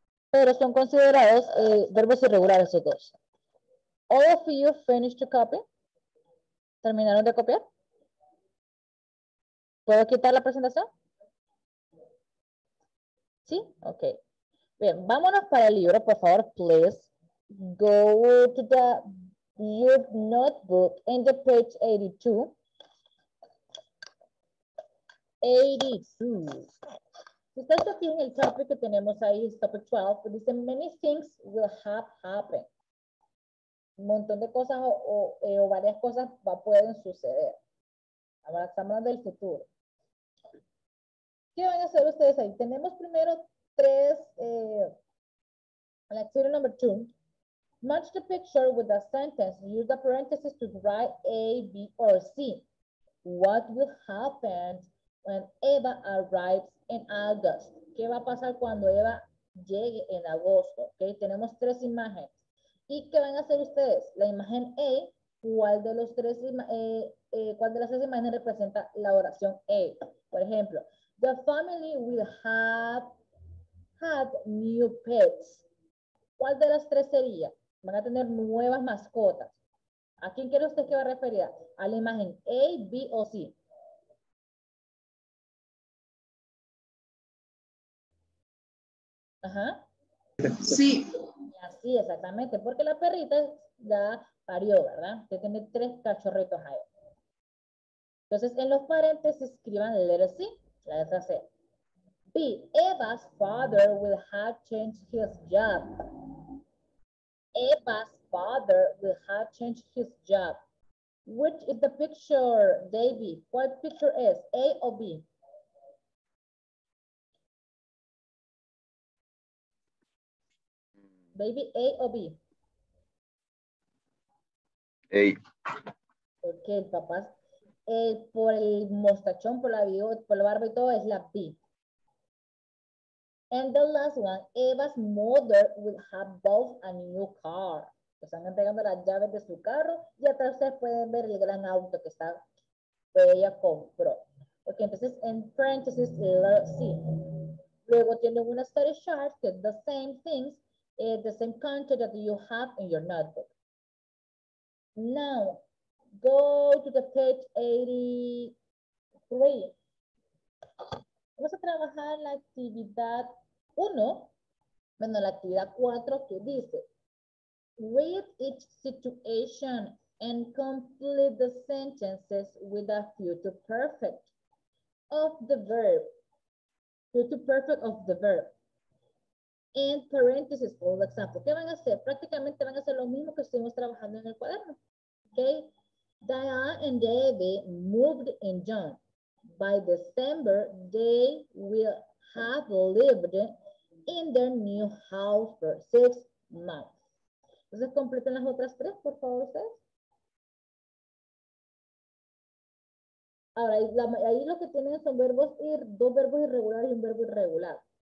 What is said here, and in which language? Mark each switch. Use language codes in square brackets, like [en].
[es] Pero son considerados verbos irregulares esos dos. [en] All of you finished to copy? [es] ¿Terminaron de copiar? ¿Puedo quitar la presentación? ¿Sí? Ok. Bien, vámonos para el libro, por favor, please. [en] Go to the your notebook in the page 82. [es] 82. Ustedes aquí en el topic que tenemos ahí, el topic 12, dice [en] many things will have happened. [es] Un montón de cosas o varias cosas pueden suceder. Ahora estamos hablando del futuro. ¿Qué van a hacer ustedes ahí? Tenemos primero tres, la acción number 2. [en] Match the picture with a sentence. Use the parentheses to write A, B, or C. What will happen when Eva arrives in August? [es] ¿Qué va a pasar cuando Eva llegue en agosto? ¿Okay? Tenemos tres imágenes. ¿Y qué van a hacer ustedes? La imagen A, ¿cuál de las tres imágenes representa la oración A? Por ejemplo, [en] the family will have had new pets. [es] ¿Cuál de las tres sería? Van a tener nuevas mascotas. ¿A quién quiere usted que va a referir? ¿A la imagen A, B o C? Ajá. Sí. Así, exactamente. Porque la perrita ya parió, ¿verdad? Usted tiene tres cachorritos ahí. Entonces, en los paréntesis escriban la letra C, la letra C. [en] B. Eva's father will have changed his job. Eva's father will have changed his job. Which is the picture, David? What picture is? A or B? Baby, A or B? A. [es] Ok, papás. Por el mostachón, por la barba y todo, es la B. [en] And the last one, Eva's mother will have bought a new car. [es] Están entregando las llaves de su carro y atrás ustedes pueden ver el gran auto que está, que ella compró. Ok, entonces, en parentheses, letter C. Luego tiene una study chart que es [en] the same things. It's the same content that you have in your notebook. Now, go to the page 83. [es] Vamos a trabajar la actividad 1, bueno, la actividad 4 que dice, [en] read each situation and complete the sentences with a future perfect of the verb. Future perfect of the verb. [es] En paréntesis, por ejemplo, ¿qué van a hacer? Prácticamente van a hacer lo mismo que estuvimos trabajando en el cuaderno. [en] ¿Okay? Diane and Debbie moved in June. By December, they will have lived in their new house for 6 months. [es] Entonces, completen las otras tres, por favor, ustedes. Ahora, ahí lo que tienen son verbos dos verbos irregulares y un verbo irregular.